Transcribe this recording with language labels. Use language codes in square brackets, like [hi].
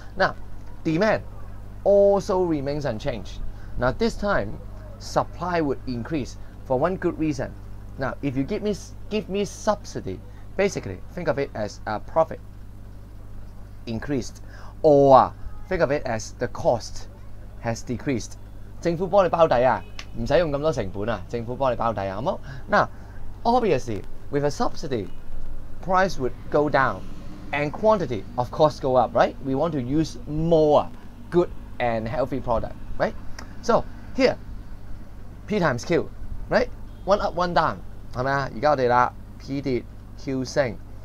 [en] Now demand also remains unchanged. Now this time supply would increase for one good reason. Now if you give me subsidy, basically think of it as a profit increased, or think of it as the cost has decreased. [yue] 政府幫你包底啊，唔使用咁多成本啊。政府幫你包底啊，好冇？ [en] Now, obviously, with a subsidy, price would go down, and quantity, of course, go up, right? We want to use more good and healthy product, right? So here, P times Q, right? One up, one down, [yue] 係咪啊？而家我哋啦 ，P 跌 ，Q 升。